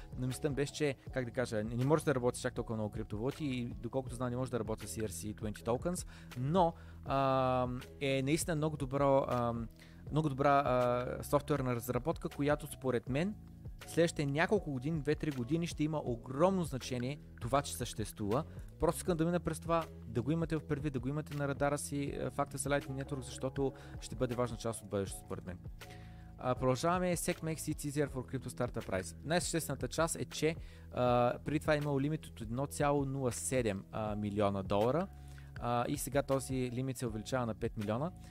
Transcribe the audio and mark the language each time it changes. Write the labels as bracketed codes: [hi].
[bg] но мислям беше, че, как да кажа, не може да работи чак толкова много криптовалути и доколкото знам не може да работи с ERC20 tokens, но е наистина много добро, много добра софтуерна разработка, която според мен следващите няколко години, 2-3 години ще има огромно значение това, че съществува. Просто искам да мина през това, да го имате в предвид, да го имате на радара си, факта с Lightning Network, защото ще бъде важна част от бъдещето според мен. [en] Продължаваме SEC makes it easier for crypto startup price. [bg] Най-съществената част е, че при това е имало лимит от 1,07 милиона долара и сега този лимит се увеличава на 5 милиона.